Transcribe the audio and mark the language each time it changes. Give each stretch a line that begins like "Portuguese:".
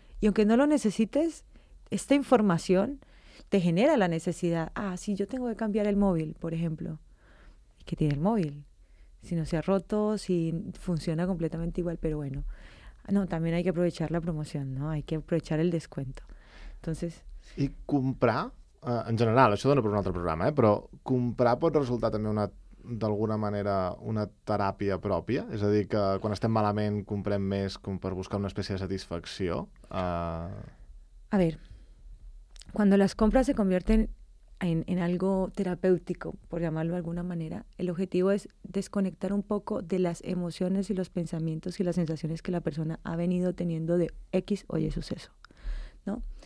Spanish: Y aunque no lo necesites, esta información te genera la necesidad. Ah, si yo tengo que cambiar el móvil, por ejemplo. ¿Qué tiene el móvil? Si no se ha roto, si funciona completamente igual, pero bueno. No, también hay que aprovechar la promoción, ¿no? Hay que aprovechar el descuento. Entonces, ¿y comprar?
Catalan: En general, això dona per un altre programa, eh? Però comprar pot resultar també d'alguna manera una teràpia pròpia? És a dir, que quan estem malament comprem més com per buscar una espècie de satisfacció?
Spanish: A ver, cuando las compras se convierten en algo terapéutico, por llamarlo de alguna manera, el objetivo es desconectar un poco de las emociones y los pensamientos y las sensaciones que la persona ha venido teniendo de X o Y suceso, ¿no?